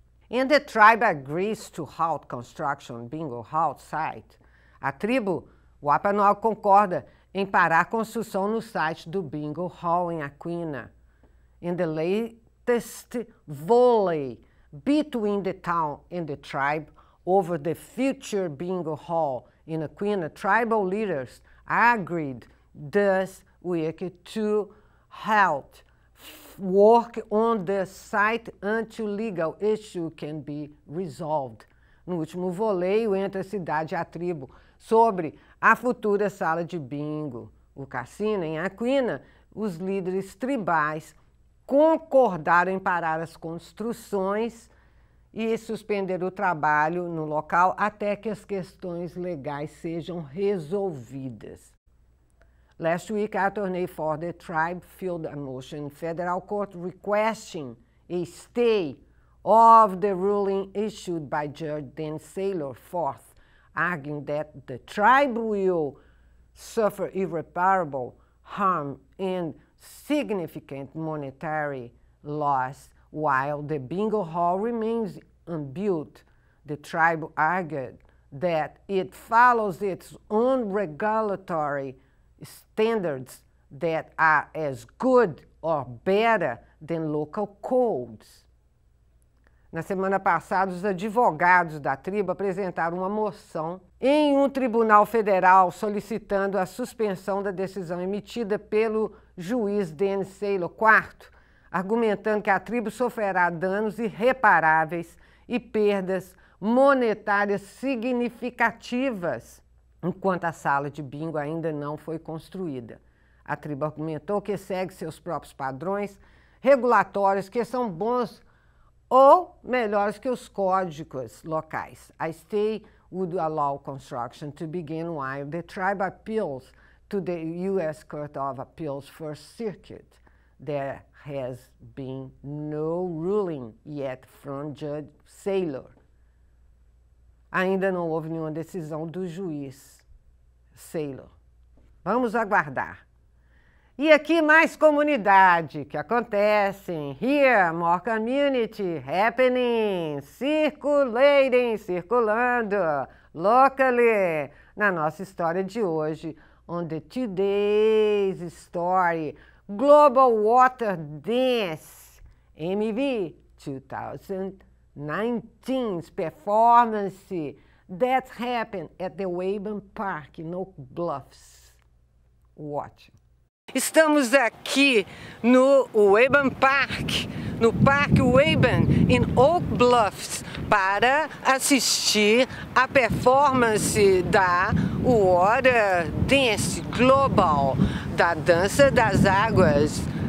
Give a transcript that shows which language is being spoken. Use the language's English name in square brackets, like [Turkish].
[English] And the tribe agrees to halt construction, bingo, halt site. [Portuguese] A tribo Wampanoag concorda em parar a construção no site do Bingo Hall em Aquina. [English] In the latest volley between the town and the tribe over the future Bingo Hall in Aquina, tribal leaders agreed this week to halt work on the site until legal issue can be resolved. [Portuguese] No último voleio entre a cidade e a tribo sobre a futura sala de bingo, o cassino em Aquina, os líderes tribais concordaram em parar as construções e suspender o trabalho no local até que as questões legais sejam resolvidas. [English] Last week, attorney for the tribe filed a motion in federal court requesting a stay of the ruling issued by Judge Dan Saylor IV, arguing that the tribe will suffer irreparable harm and significant monetary loss while the bingo hall remains unbuilt. The tribe argued that it follows its own regulatory standards that are as good or better than local codes. [Portuguese] Na semana passada, os advogados da tribo apresentaram uma moção em um tribunal federal solicitando a suspensão da decisão emitida pelo juiz Dan Saylor IV, argumentando que a tribo sofrerá danos irreparáveis e perdas monetárias significativas enquanto a sala de bingo ainda não foi construída. A tribo argumentou que segue seus próprios padrões regulatórios, que são bons ou melhores que os códigos locais. [English] A stay would allow construction to begin while the tribe appeals to the U.S. Court of Appeals First Circuit. There has been no ruling yet from Judge Saylor. [Portuguese] Ainda não houve nenhuma decisão do juiz Saylor. Vamos aguardar. E aqui mais comunidade que acontece. [English] Here, more community happening, [Portuguese] circulando locally na nossa história de hoje. [English] On the today's story, Global Water Dance, MV 2019's performance that happened at the Weyburn Park, no Bluffs. Watch. [Portuguese] Estamos aqui no Weyburn Park, no Parque Weyburn, em Oak Bluffs, para assistir a performance da Water Dance Global, da Dança das Águas.